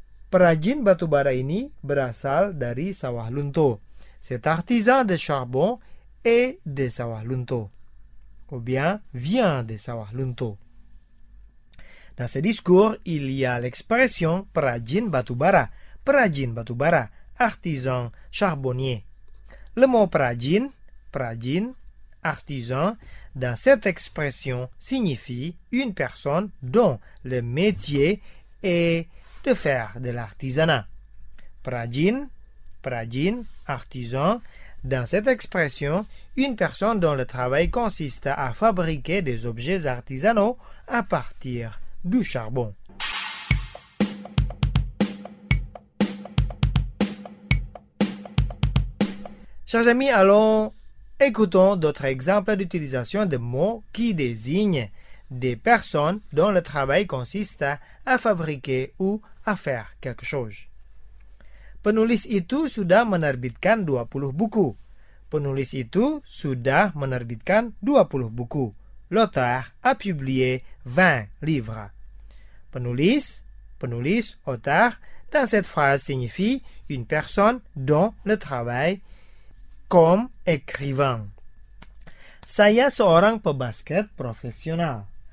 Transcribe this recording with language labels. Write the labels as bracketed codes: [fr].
[id] Prajin batubara ini berasal dari Sawahlunto. [fr] Cet artisan de charbon est de Sawahlunto. Ou bien vient de Sawahlunto. Dans ce discours, il y a l'expression Prajin batubara. Prajin batubara, artisan charbonnier. Le mot prajin, prajin, artisan, dans cette expression signifie une personne dont le métier est de faire de l'artisanat. Prajin, prajin, artisan, dans cette expression, une personne dont le travail consiste à fabriquer des objets artisanaux à partir du charbon. Chers amis, allons écoutons d'autres exemples d'utilisation de mots qui désignent des personnes dont le travail consiste à fabriquer ou à faire quelque chose. [id] Penulis itu sudah menerbitkan 20 buku. Penulis itu sudah menerbitkan 20 buku. [fr] L'auteur a publié 20 livres. Penulis, penulis, auteur, dans cette phrase signifie une personne dont le travail comme écrivain. [id] Saya seorang pebasket profesional.